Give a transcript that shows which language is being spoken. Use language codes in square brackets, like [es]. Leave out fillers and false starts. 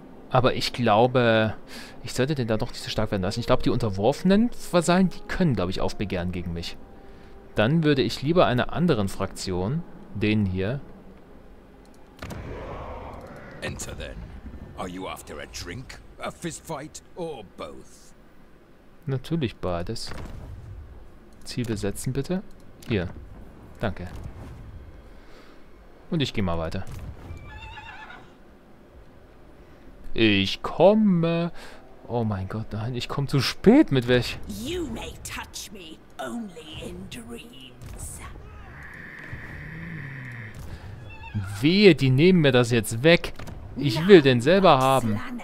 [de] Aber ich glaube, ich sollte denn da doch nicht so stark werden lassen. Ich glaube, die unterworfenen Vasallen, die können, glaube ich, aufbegehren gegen mich. Dann würde ich lieber einer anderen Fraktion, denen hier. [en] Enter then. Are you after a drink, a fistfight, or both? [de] Natürlich beides. Ziel besetzen, bitte. Hier. Danke. Und ich gehe mal weiter. Ich komme. Oh mein Gott, nein, ich komme zu spät mit welch. [en] You may touch me only in dreams. [de] Wehe, die nehmen mir das jetzt weg. Ich will den selber haben.